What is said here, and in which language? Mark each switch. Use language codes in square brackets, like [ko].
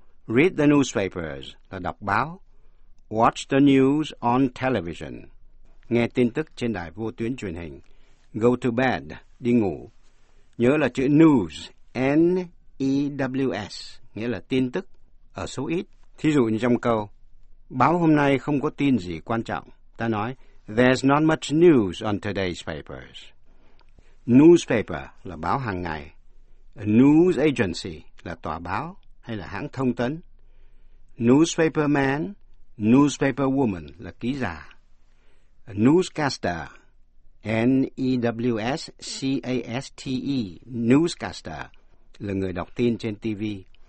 [en] Read the newspapers [vi] là đọc báo. [en] Watch the news on television. [vi] Nghe tin tức trên đài vô tuyến truyền hình. [en] Go to bed, [vi] đi ngủ. Nhớ là chữ news, N-E-W-S, nghĩa là tin tức, ở số ít. Thí dụ như trong câu, báo hôm nay không có tin gì quan trọng. [en] Ta nói, there's not much news on today's papers. [vi] Newspaper là báo hàng ngày. A news agency là tòa báo hay là hãng thông tấn. Newspaper man, newspaper woman là ký giả. A newscaster, N-E-W-S-C-A-S-T-E, newscaster là người đọc tin trên TV.